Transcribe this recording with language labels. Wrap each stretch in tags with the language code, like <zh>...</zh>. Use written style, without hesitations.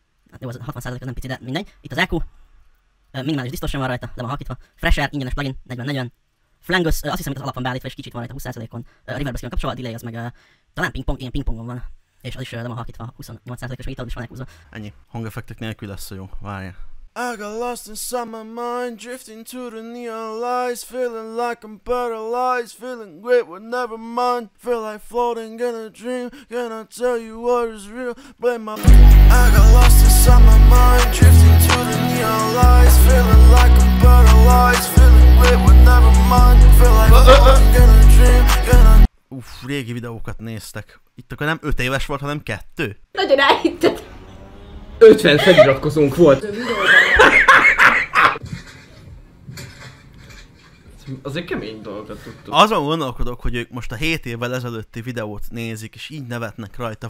<hu>Hát jó, az 60% az nem pici, de mindegy. Itt az EQ, minimális distortion van rajta, le van halkítva. Fresh Air, ingyenes plugin, 40-40. Flangus, azt hiszem, hogy az alap van beállítva, és kicsit van rajta 20%-on. Reverb az kapcsolva, a delay az meg talán pingpong, ilyen pingpongon van. És az is nem a halkítva, 28%-os, meg itt is van elkúzva. Ennyi. Hangeffektek nélkül lesz a jó. Várja.</hu> <en>I got lost inside my mind, drifting to the neon lights, feeling like I'm paralyzed, feeling great but never mind, feel like floating in a dream, can I tell you what is real, blame my mind. I got lost inside my mind, drifting to the neon lights, feeling like I'm paralyzed, feeling great but never mind, feel like floating in a dream, can I.</en> <hu>Uff, régi videókat néztek. Itt akkor nem 5 éves volt, hanem 2. Nagyon elhitted. 50 feliratkozónk volt. Azért kemény dolgokat tudtuk. Azon gondolkodok, hogy ők most a 7 évvel ezelőtti videót nézik, és így nevetnek rajta.</hu>